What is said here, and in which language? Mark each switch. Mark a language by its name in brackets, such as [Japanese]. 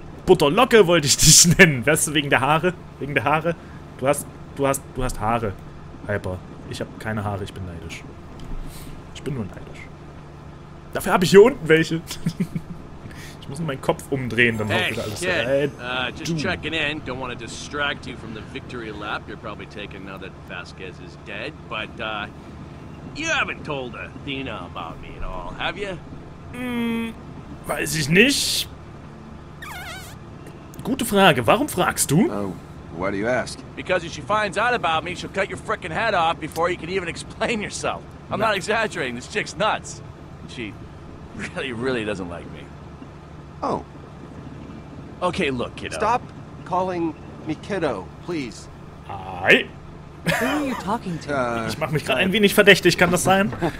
[German] Butterlocke wollte ich dich nennen. Weißt du, wegen der Haare? Wegen der Haare? Du hast Haare, Hyper. Ich habe keine Haare, ich bin neidisch. Ich bin nur neidisch. Dafür habe ich hier unten welche. Ich muss nur meinen Kopf umdrehen, dann hey, hau wieder alles rein. [English] Just checking in. Don't want to distract you from the victory lap. You're probably taking now that Vasquez is dead. But, you haven't told Athena about me at all, have you? [German] Weiß ich nicht. Gute Frage. Warum fragst du? [English] Why do you ask? Because if she finds out about me, she'll cut your frickin' head off before you can even explain yourself. I'm not exaggerating. This chick's nuts. She really, really doesn't like me. Oh. Okay, look, kiddo. Stop calling me kiddo, please. Hi. Who are you talking to? [German] Ich mach mich gerade ein wenig verdächtig, kann das sein?